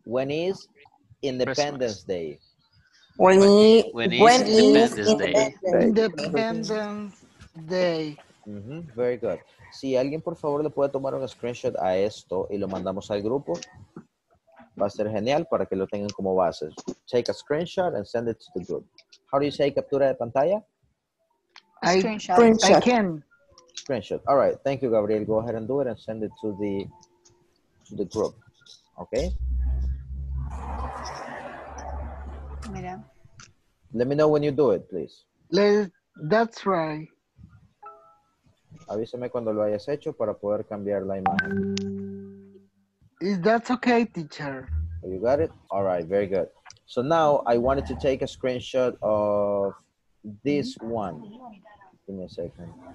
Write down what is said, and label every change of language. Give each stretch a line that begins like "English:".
English: When is Independence Christmas. Day. When is Independence Day. Mm-hmm. Very good.
Spanish: Si alguien, por favor, le puede tomar un screenshot a esto y lo mandamos al grupo, va a ser genial para que lo tengan como base.
English: Take a screenshot and send it to the group. How do you say
Spanish: captura de pantalla?
English: Screenshot. I can. Screenshot. All right. Thank you, Gabriel. Go ahead and do it and send it to the group. Okay?
Spanish: Mira.
English: Let me know when you do it, please. That's right.
Spanish: Avísame cuando lo hayas hecho para poder cambiar la imagen.
English: Is that okay, teacher? You got it? All right, very good. So now I wanted to take a screenshot of this one. Give me a second.